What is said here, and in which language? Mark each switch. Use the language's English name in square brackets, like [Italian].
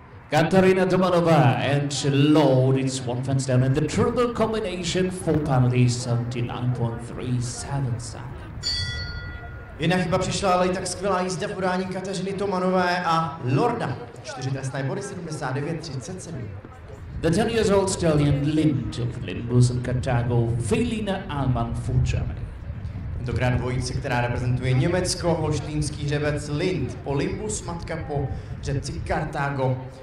[English] Katarina Tomanova and Lord, it's one fence down and the triple combination, 4 penalties, 79.37 seconds. [Czech] Jedna chyba přišla, ale i tak skvělá jízda v podání Kateřiny Tomanové a Lorda. 4 trestné body, 79.37. [English] The 10-year-old stallion Lind of Limbus and Cartago, Felina Alman for Germany. [Czech] Tentokrát dvojice, která reprezentuje Německo, holštýnský řebec Lind po Limbus, matka po řebci Cartago.